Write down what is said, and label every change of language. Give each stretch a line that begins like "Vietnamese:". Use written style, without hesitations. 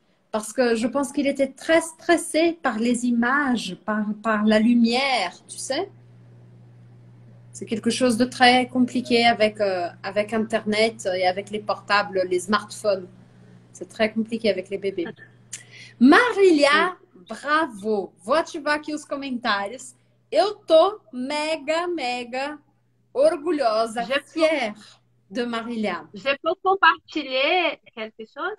French: Parce que je pense qu'il était très stressé par les images, par la lumière, tu sais. C'est quelque chose de très compliqué avec Internet et avec les portables, les smartphones. C'est très compliqué avec les bébés. Marilia, bravo!
Portuguese: Vou ativar aqui os comentários. Eu tô mega, mega orgulhosa, fière de Marilia.
French: Je peux compartilher quelque chose?